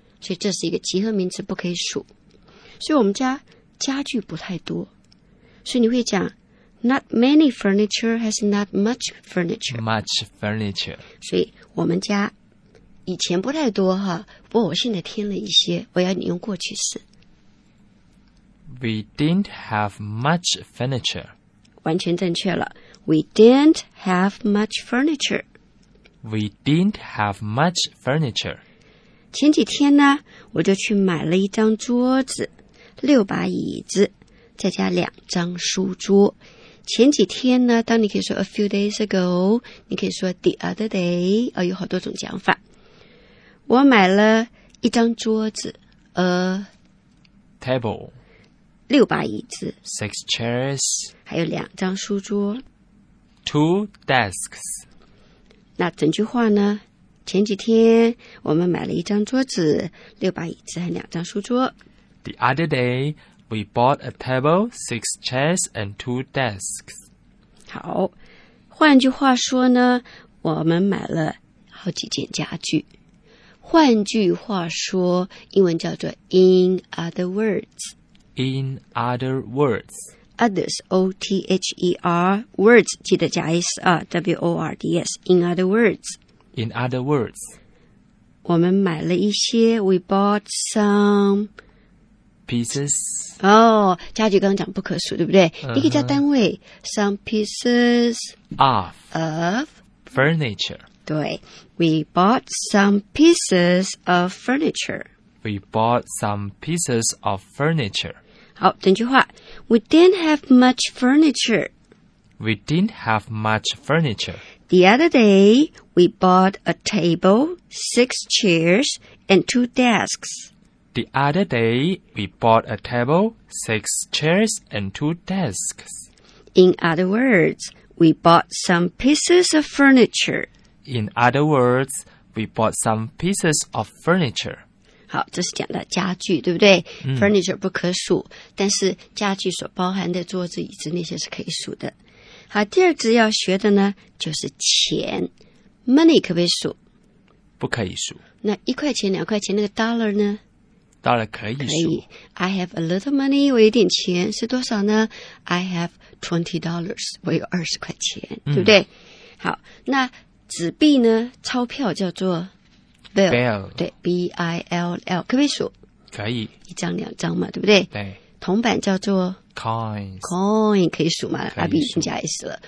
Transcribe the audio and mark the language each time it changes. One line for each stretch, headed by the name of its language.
Chinese: 所以这是一个集合名词，不可以数。所以我们家家具不太多，所以你会讲
English: not many furniture
Chinese: 还是
English: not much furniture？ Much furniture。
Chinese: 所以我们家以前不太多哈，不过我现在添了一些，我要你用过去式。
English: We didn't have much furniture.
Chinese: 完全正确了。
English: We didn't have much furniture. We didn't have much furniture.
Chinese: 前几天呢，我就去买了一张桌子，六把椅子，再加两张书桌。前几天呢，当你可以说
English: a few days ago，
Chinese: 你可以说
English: the other day，
Chinese: 有好多种讲法。我买了一张桌子 a
English: table，
Chinese: 六把椅子
English: six chairs，
Chinese: 还有两张书桌
English: two desks。
Chinese: 那整句话呢，前几天我们买了一张桌子，六把椅子，还有两张书桌。
English: The other day we bought a table, six chairs and two desks。
Chinese: 好，换句话说呢，我们买了好几件家具。换句话说，英文叫做
English: in other words。 In other words。 Others, O-T-H-E-R, words, 记得加 S, W-O-R-D-S, in other words。 In other words。
Chinese: 我们买了一些 ,
English: we bought some pieces。
Chinese: 哦，家具刚刚讲不可数，对不对？你可以加单位 ,
English: some pieces of furniture。对， we bought some pieces of furniture. We bought some pieces of furniture. 好，整句话， we didn't have much furniture. We didn't have much furniture. The other day, we bought a table, six chairs, and two desks. The other day, we bought a table, six chairs, and two desks. In other words, we bought some pieces of furniture. In other words, we bought some pieces of furniture.
Chinese: 好，这是讲的家具，对不对？嗯， furniture 不可数，但是家具所包含的桌子、椅子那些是可以数的。好，第二字要学的呢，就是钱。Money 可不可以数？不可以数。那一块钱、两块钱那个 dollar 呢？ Dollar 可以数。可以。
English: I have a little money,
Chinese: 我有点钱，是多少呢？
English: I have $20,
Chinese: 我有20块钱，嗯，对不对？好，那纸币呢，钞票叫做 bill, bill，对 ,B-I-L-L, 可不可以数？可以。一张两张嘛，对不对？对。铜板叫做
English: coins。
Chinese: coin, 可以数吗？阿B已经加 S 了。